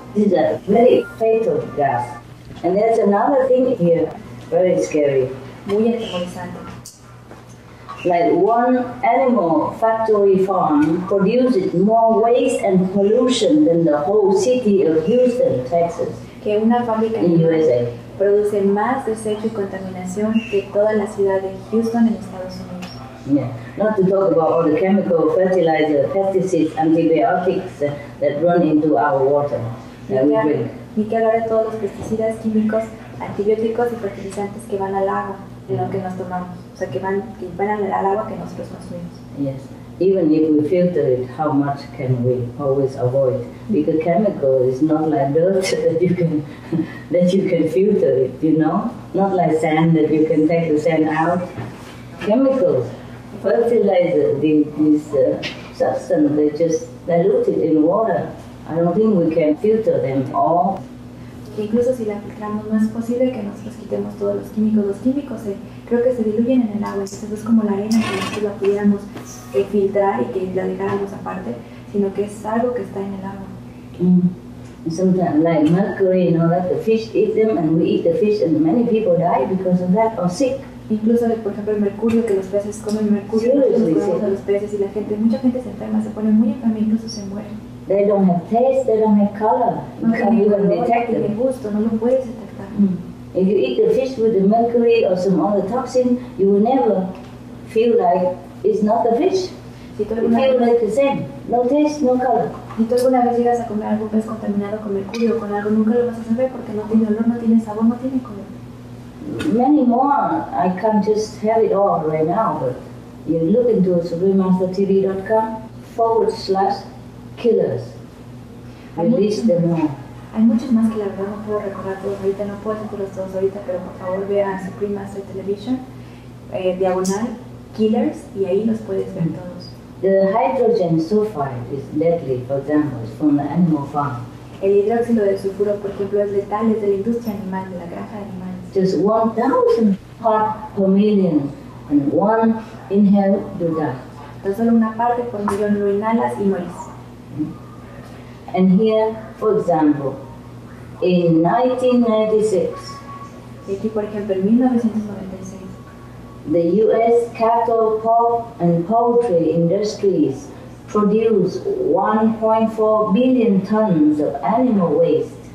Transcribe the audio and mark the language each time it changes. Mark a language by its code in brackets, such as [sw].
[en] This is a very fatal gas. And there's another thing here, very scary. [es] Muy interesante. [en] Like one animal factory farm produces more waste and pollution than the whole city of Houston, Texas. [es] Que una fábrica [en] in USA. [es] Produce más desecho y contaminación que toda la ciudad de Houston en Estados Unidos. [en] Yeah, not to talk about all the chemical fertilizer, pesticides, antibiotics that run into our water that we drink. [es] Ni que hablar de todos los pesticidas químicos, antibióticos y fertilizantes que van al agua en lo que nos tomamos, o sea que van al agua que nosotros consumimos. [en] Yes, even if we filter it, how much can we always avoid? Because chemical is not like dirt that you can filter it, you know? Not like sand that you can take the sand out. Chemicals, fertilizer, these substances, they just dilute it in water. I don't think we can filter them all. [es] Incluso si la filtramos, no es posible que nosotros quitemos todos los químicos. Los químicos creo que se diluyen en el agua, entonces es como la arena que nosotros la pudiéramos filtrar y que la dejáramos aparte, sino que es algo que está en el agua. Mm. [en] Sometimes, like mercury, you know, like the fish eat them and we eat the fish and many people die because of that or sick. [es] Incluso, por ejemplo, el mercurio, que los peces comen mercurio, a los peces y la gente, mucha gente se enferma, se pone muy enferma, incluso se muere. [en] They don't have taste, they don't have color. You can't even detect them. [es] Gusto, no lo puedes detectar. [en] Mm. If you eat the fish with the mercury or some other toxin, you will never feel like it's not the fish. [es] Si tú [en] you feel like the same. No taste, no color. [es] Si tú alguna vez llegas a comer algún pez contaminado con mercurio o con algo, nunca lo vas a saber porque no tiene olor, no tiene sabor, no tiene color. [en] Many more. I can't just tell it all right now, but you look into suprememastertv.com/killers. Release them all. [es] Hay muchos más que la verdad no puedo recordar todos ahorita, no puedo hacerlos todos ahorita, pero por favor vea Supreme Master Television, diagonal, Killers, y ahí los puedes ver todos. [en] The hydrogen sulfide is deadly, for example, it's from the animal farm. [es] El hidróxido de sulfuro, por ejemplo, es letal, es de la industria animal, de la granja de animales. [en] Just 1,000 parts per million, and one inhale, you die. [es] Tan solo una parte por millón lo inhalas y mueres. [en] And here, for example, in 1996, [es] aquí, por ejemplo, en 1996, [en] the U.S. cattle, pork, and poultry industries produced 1.4 billion tons of animal waste.